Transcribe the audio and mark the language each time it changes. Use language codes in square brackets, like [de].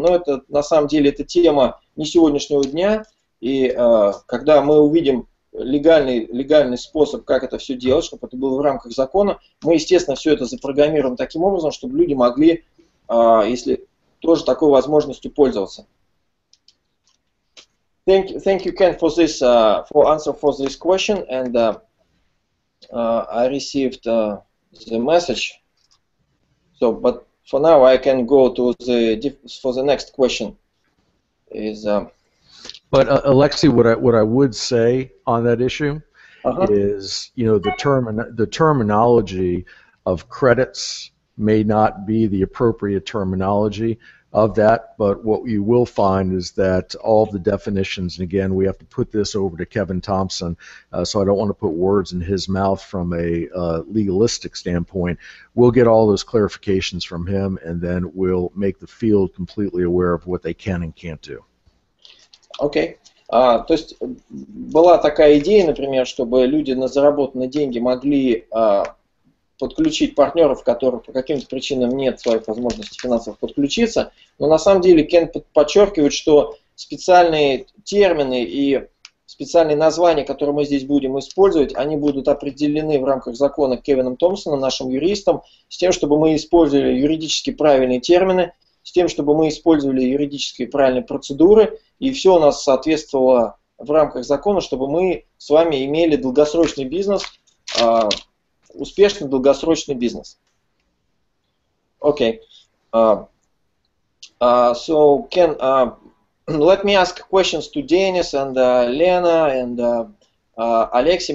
[ru] Но это на самом деле это тема не сегодняшнего дня. И когда мы увидим легальный способ, как это все делать, чтобы это было в рамках закона, мы, естественно, все это запрограммируем таким образом, чтобы люди могли, если тоже такой возможностью пользоваться. [en] Thank you, Ken, for this for answer for this question. And I received the message. So, but for now, I can go to the next question. Alexi, what I would say on that issue is, you know, the terminology of credits may not be the appropriate terminology of that. But what you will find is that all the definitions, and again, we have to put this over to Kevin Thompson, so I don't want to put words in his mouth from a legalistic standpoint. We'll get all those clarifications from him, and then we'll make the field completely aware of what they can and can't do. Okay. [ru] То есть была такая идея, например, чтобы люди на заработанные деньги могли подключить партнеров, которых по каким-то причинам нет своих возможностей финансовых подключиться. Но на самом деле Кен подчеркивает, что специальные термины и специальные названия, которые мы здесь будем использовать, они будут определены в рамках закона Кевином Томпсоном, нашим юристом, с тем, чтобы мы использовали юридически правильные термины, с тем, чтобы мы использовали юридически правильные процедуры, и все у нас соответствовало в рамках закона, чтобы мы с вами имели долгосрочный бизнес, успешный долгосрочный бизнес. Окей. [en] So, Ken, let me ask questions to Dennis and Lena and Alexei.